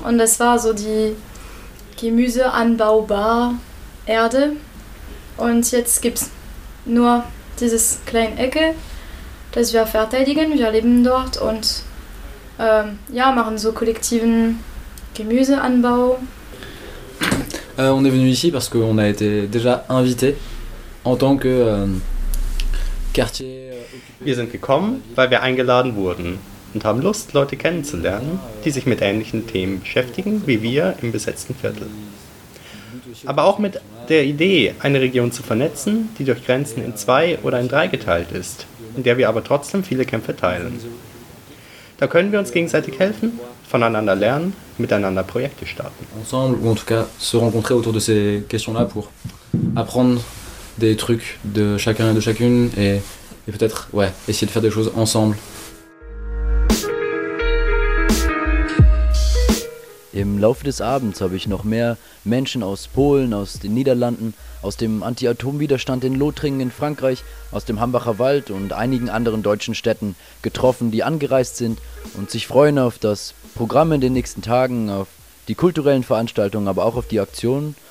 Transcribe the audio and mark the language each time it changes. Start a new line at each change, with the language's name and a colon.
German: Und das war so die Gemüseanbaubar-Erde. Und jetzt gibt es nur dieses kleine Ecke, das wir verteidigen. Wir leben dort und ja, machen so kollektiven Gemüseanbau.
French: On est venu ici parce qu'on a été déjà invité en tant que quartier.
German: Wir sind gekommen, weil wir eingeladen wurden und haben Lust, Leute kennenzulernen, die sich mit ähnlichen Themen beschäftigen wie wir im besetzten Viertel. Aber auch mit der Idee, eine Region zu vernetzen, die durch Grenzen in zwei oder in drei geteilt ist, in der wir aber trotzdem viele Kämpfe teilen. Da können wir uns gegenseitig helfen, voneinander lernen, miteinander Projekte starten.
French: Ensemble, ou en tout cas, se rencontrer autour de ces questions-là pour apprendre des trucs de chacun et de chacune et peut-être, ouais, essayer de faire des choses ensemble.
German: Im Laufe des Abends habe ich noch mehr Menschen aus Polen, aus den Niederlanden, aus dem Anti-Atom-Widerstand in Lothringen in Frankreich, aus dem Hambacher Wald und einigen anderen deutschen Städten getroffen, die angereist sind und sich freuen auf das Programm in den nächsten Tagen, auf die kulturellen Veranstaltungen, aber auch auf die Aktionen.